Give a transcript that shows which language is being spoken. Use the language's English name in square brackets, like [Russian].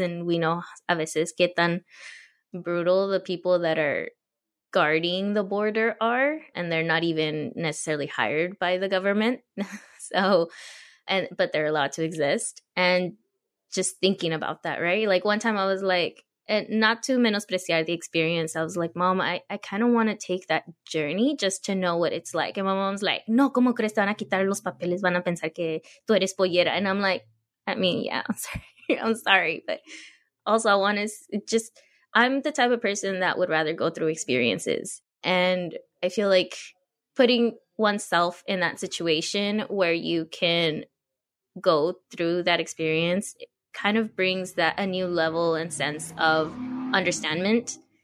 [English] And we know [Spanish] a veces que tan brutal [English] the people that are guarding the border are, and they're not even necessarily hired by the government. but they're allowed to exist. And just thinking about that, right? Like one time I was like, and not to menospreciar the experience, I was like, Mom, I kind of want to take that journey just to know what it's like. And my mom's like, [Spanish] no, ¿cómo crees te van a quitar los papeles? Van a pensar que tú eres pollera. [English] And I'm like, I mean, yeah, I'm sorry. But also I want to just, I'm the type of person that would rather go through experiences. And I feel like putting oneself in that situation where you can go through that experience kind of brings that a new level and sense of understandment.